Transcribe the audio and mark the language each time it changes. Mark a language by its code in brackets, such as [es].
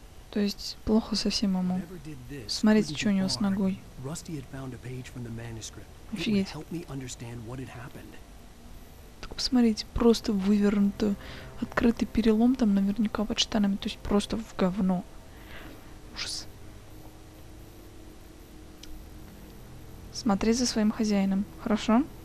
[ru] То есть плохо совсем ему. Смотрите, что у него с ногой. [en] Rusty had found a page from the manuscript. [ru] Офигеть. [en] Help me understand what had happened. [ru] Так посмотрите, просто вывернутый, открытый перелом там наверняка под штанами, то есть просто в говно. Ужас. Смотри за своим хозяином, хорошо?